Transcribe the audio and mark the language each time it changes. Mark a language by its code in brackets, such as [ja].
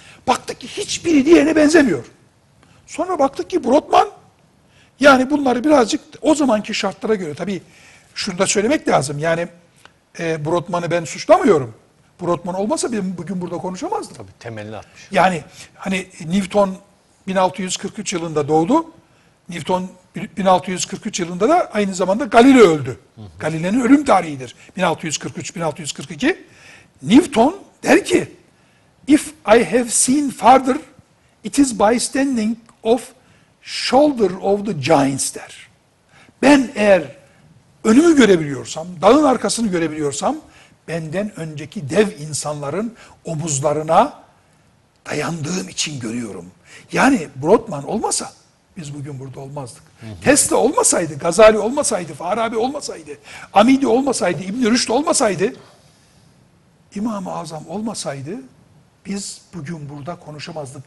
[tr] Baktık ki hiçbiri diğerine benzemiyor. Sonra baktık ki Brodmann, yani bunları birazcık o zamanki şartlara göre, tabii şunu da söylemek lazım, yani Brodmann'ı ben suçlamıyorum. Brodmann olmasa ben bugün burada konuşamazdım. Tabii temelini atmış. Yani hani Newton 1643 yılında doğdu. Newton 1643 yılında da aynı zamanda Galileo öldü. Galileo'nun ölüm tarihidir. 1643-1642. Newton der ki, [en] "If I have seen farther, it is by standing of shoulder of the giants," [tr] der. Ben eğer önümü görebiliyorsam, dağın arkasını görebiliyorsam, benden önceki dev insanların omuzlarına dayandığım için görüyorum. Yani Brodmann olmasa biz bugün burada olmazdık. Tesla olmasaydı, Gazali olmasaydı, Farabi olmasaydı, Amidi olmasaydı, İbn Rüşd olmasaydı, İmam-ı Azam olmasaydı biz bugün burada konuşamazdık.